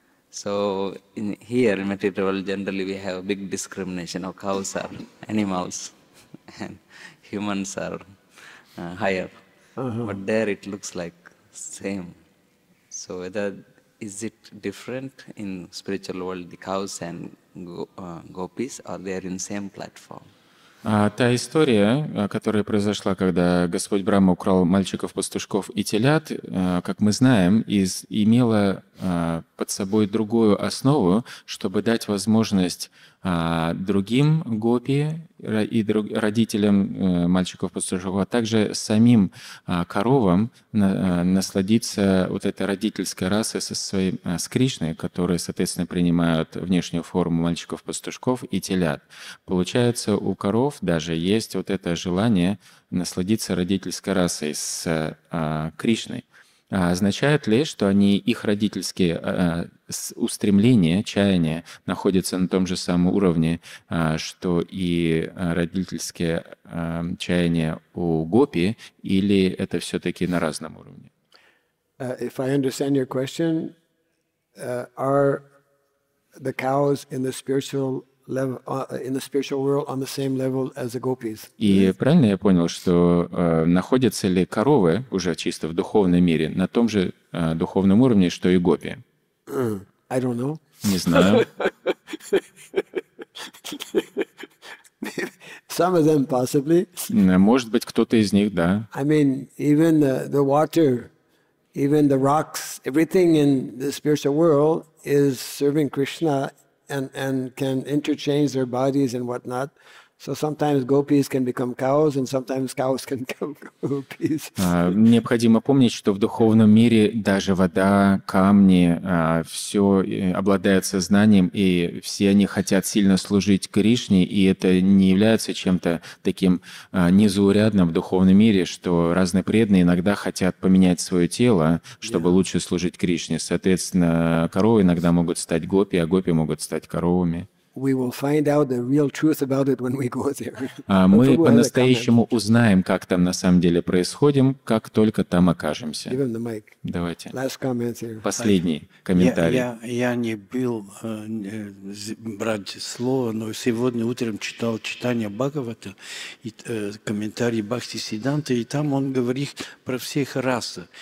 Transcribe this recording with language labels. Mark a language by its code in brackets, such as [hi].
[en] So in here in material world, generally we have a big discrimination of cows are animals and humans are higher. Uh-huh. But there it looks like same. So whether is it different in spiritual world, the cows and gopis, or they are in same platform? [ru] Та история, которая произошла, когда Господь Брама украл мальчиков-пастушков и телят, как мы знаем, имела под собой другую основу, чтобы дать возможность другим гопи и родителям мальчиков-пастушков, а также самим коровам насладиться вот этой родительской расой со своим, с Кришной, которые, соответственно, принимают внешнюю форму мальчиков-пастушков и телят. Получается, у коров даже есть вот это желание насладиться родительской расой с Кришной. А означает ли, что они их родительские устремления, чаяния находятся на том же самом уровне, что и родительские чаяния у гопи, или это все-таки на разном уровне? [en] If I understand your question, are the cows in the spiritual level, in the spiritual world on the same level as the gopis? [ru] И правильно я понял, что находятся ли коровы уже чисто в духовном мире на том же духовном уровне, что и гопи? [en] I don't know. [ru] Не знаю. [en] Some of them possibly. [ru] Может быть, кто-то из них, да. [en] I mean, even the water, even the rocks, everything in the spiritual world is serving Krishna. And can interchange their bodies and whatnot. So sometimes gopis can become cows, and sometimes cows can become gopis. [ru] Необходимо помнить, что в духовном мире даже вода, камни, все обладает сознанием, и все они хотят сильно служить Кришне, и это не является чем-то таким незаурядным в духовном мире, что разные преданные иногда хотят поменять свое тело, чтобы лучше служить Кришне. Соответственно, коровы иногда могут стать гопи, а гопи могут стать коровами. [en] We will find out the real truth about it when we go there. [ru] Мы по-настоящему узнаем, как там на самом деле происходит, как только там окажемся. [en] Give him the mic. [ru] Давайте. [en] Last comment here. [ru] Последний комментарий. Я не был брать слово, но сегодня утром читал читание Бхагавата и комментарий Бхакти Сиддханты, и там он говорит про всех рас.